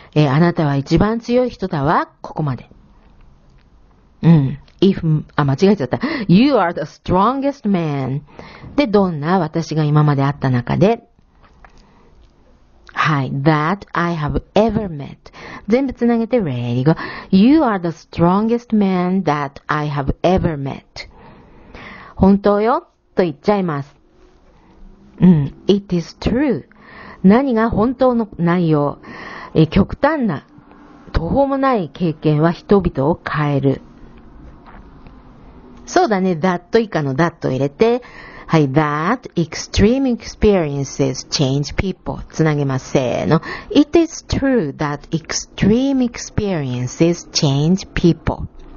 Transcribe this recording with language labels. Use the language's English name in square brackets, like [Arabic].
[Japanese] あなたは一番強い人だわ、ここまで。うん。 If、あ、間違えちゃった。 [English] You are the strongest man. [Japanese] で、どんな私が今まで会った中で、はい。 [English] That I have ever met. [Japanese] 全部つなげて、 [English] ready, go. You are the strongest man that I have ever met. [Japanese] 本当よ、と言っちゃいます。うん。 [English] It is true. [Japanese] 何が本当の内容。極端な、途方もない経験は人々を変える。そうだね。 [English] that [Japanese] 以下の that を入れて、はい、 [English] that extreme experiences change people. [Japanese] つなげます。せーの。 [English] It is true that extreme experiences change people.